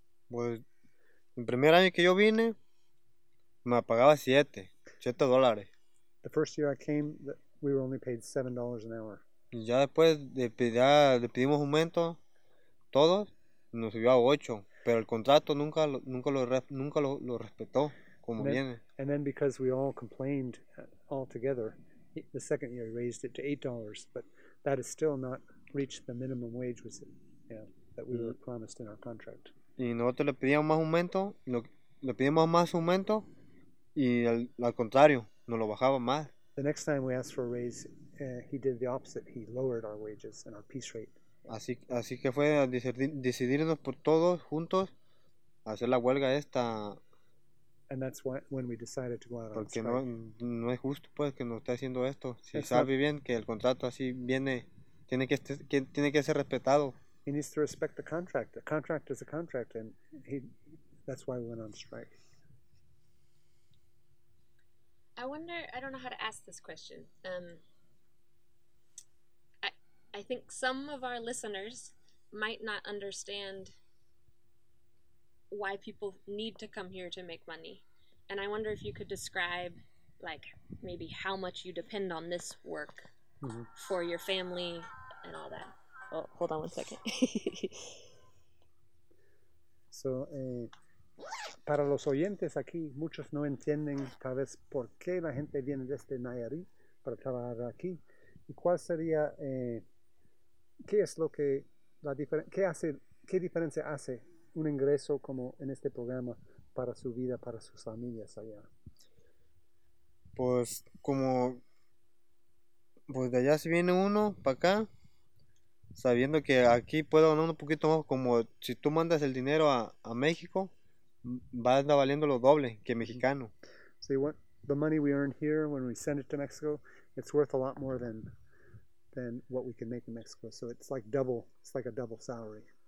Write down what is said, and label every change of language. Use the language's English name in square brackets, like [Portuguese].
[Spanish] Well, el primer año que yo vine, me pagaba $7. [English] The first year I came, we were only paid $7 an hour. [Spanish] Y ya después le pedimos aumento, todos, nos subió a 8. Pero el contrato nunca lo respetó como [English] and then, [Spanish] viene. [English] And then because we all complained all together, the second year he raised it to $8, but that has still not reached the minimum wage was it, that we were promised in our contract. [Spanish] Y nosotros le pedíamos más aumento, le pedíamos más aumento, y al contrario, no lo bajaba más. [English] The next time we asked for a raise, he did the opposite. He lowered our wages and our piece rate. [Spanish] Así que fue decidirnos por todos juntos a hacer la huelga esta. [English] And that's why, when we decided to go out on strike. [Spanish] No es justo pues que nos esté haciendo esto. Si it's sabe not, bien que el contrato así viene, tiene que ser respetado. [English] He needs to respect the contract. The contract is a contract, and that's why we went on strike. I wonder, I don't know how to ask this question. I think some of our listeners might not understand why people need to come here to make money. And I wonder if you could describe, like, maybe how much you depend on this work for your family and all that. Oh, hold on one second. [Spanish] So, para los oyentes aquí, muchos no entienden tal vez por qué la gente viene desde Nayarit para trabajar aquí. ¿Y cuál sería, qué es lo que, la qué hace, qué diferencia hace un ingreso como en este programa para su vida, para sus familias allá? Pues como, pues de allá si viene uno para acá, sabiendo que aquí puedo ganar un poquito más, como si tú mandas el dinero a México, va a andar valiendo lo doble que mexicano. [English] See, what the money we earn here when we send it to Mexico, it's worth a lot more than what we can make in Mexico. So it's like double, it's like a double salary.